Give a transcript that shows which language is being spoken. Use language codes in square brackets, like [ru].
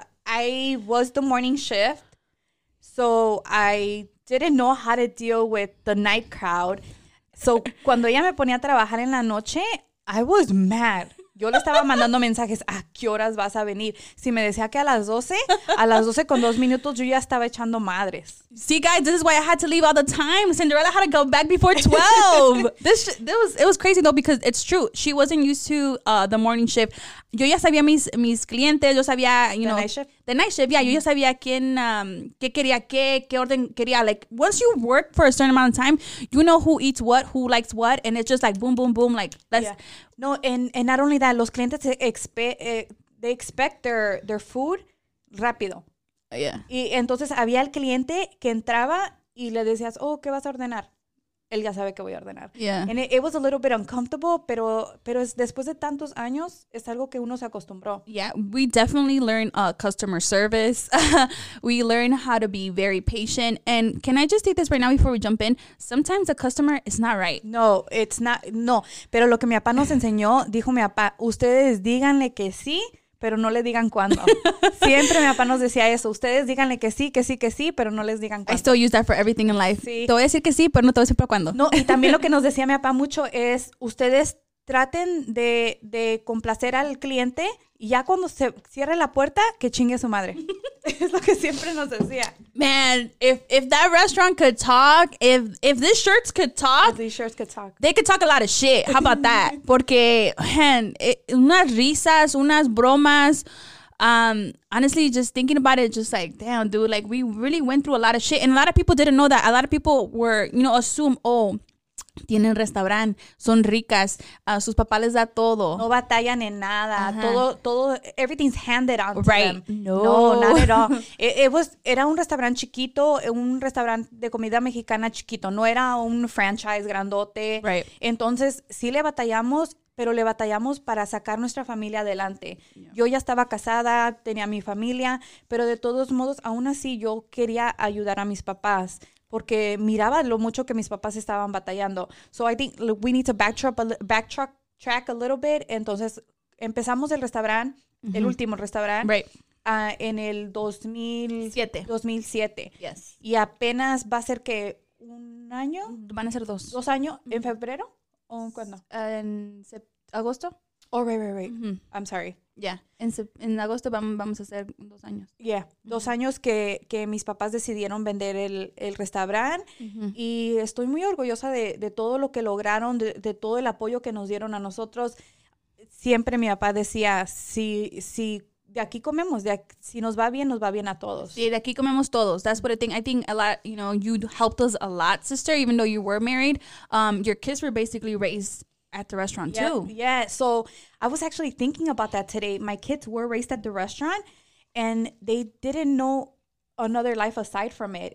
[en] I was the morning shift, so I didn't know how to deal with the night crowd. [es] So cuando ella me ponía a trabajar en la noche, [en] I was mad. [es] Yo le estaba mandando mensajes, ¿a qué horas vas a venir? Si me decía que a las 12 con 2 minutos, yo ya estaba echando madres. [en] See, guys, this is why I had to leave all the time. Cinderella had to go back before 12. it was crazy, though, because it's true. She wasn't used to the morning shift. [es] Yo ya sabía mis clientes, yo sabía, [en] the night shift. The night shift, yeah. [es] Yo ya sabía quién, qué quería qué orden quería. [en] Like, once you work for a certain amount of time, you know who eats what, who likes what, and it's just like boom, boom, boom. Like, let's... Yeah. No, and not only that, [es] los clientes [en] expect their food rápido. Yeah. [es] Y entonces había el cliente que entraba y le decías, oh, ¿qué vas a ordenar? Él ya sabe que voy a ordenar. [en] Yeah. And it was a little bit uncomfortable, [es] pero es, después de tantos años, es algo que uno se acostumbró. [en] Yeah, we definitely learn customer service. We learn how to be very patient. And can I just take this right now before we jump in? Sometimes a customer is not right. No, it's not. [es] No, pero lo que mi papá nos enseñó, dijo mi papá, ustedes díganle que sí, pero no le digan cuándo. Siempre mi papá nos decía eso. Ustedes díganle que sí, que sí, que sí, pero no les digan cuándo. [en] I still use that for everything in life. [es] Sí. Te voy a decir que sí, pero no te voy a decir para cuándo. No, y también lo que nos decía mi papá mucho es, ustedes traten de complacer al cliente y ya cuando se cierre la puerta, que chingue a su madre. Es lo que siempre nos decía. [en] Man, if that restaurant could talk, if these shirts could talk. If these shirts could talk. They could talk a lot of shit. How about that? Porque, man, [es] unas risas, unas bromas. [en] Honestly, just thinking about it, just like, damn, dude. Like, we really went through a lot of shit. And a lot of people didn't know that. A lot of people were, assume, [es] oh, tienen restaurante, son ricas, sus papás les da todo. No batallan en nada, uh-huh. Todo, [en] everything's handed on to right. them. [es] No. [en] No, not at all. [es] Era un restaurante chiquito, un restaurante de comida mexicana chiquito, no era un franchise grandote. [en] Right. [es] Entonces, sí le batallamos, pero le batallamos para sacar nuestra familia adelante. Yeah. Yo ya estaba casada, tenía mi familia, pero de todos modos, aún así yo quería ayudar a mis papás. Porque miraba lo mucho que mis papás estaban batallando. [en] So I think we need to backtrack a little bit. [es] Entonces empezamos el restaurante, mm-hmm. el último restaurante. [en] Right. [es] En el 2007. [en] Yes. [es] Y apenas va a ser que un año. Van a ser dos. ¿Dos años? Mm-hmm. ¿En febrero? ¿O cuándo? En agosto. [en] Oh, right. Mm-hmm. I'm sorry. [es] Yeah. En agosto vamos a hacer 2 años. [en] Yeah. Mm-hmm. [es] 2 años que mis papás decidieron vender el restaurante. Mm-hmm. Y estoy muy orgullosa de todo lo que lograron, de todo el apoyo que nos dieron a nosotros. Siempre mi papá decía, si de aquí comemos, si nos va bien, nos va bien a todos. Sí, de aquí comemos todos. [en] That's what I think. I think a lot, you helped us a lot, sister, even though you were married. Your kids were basically raised at the restaurant too. Yeah. So I was actually thinking about that today. My kids were raised at the restaurant and they didn't know another life aside from it.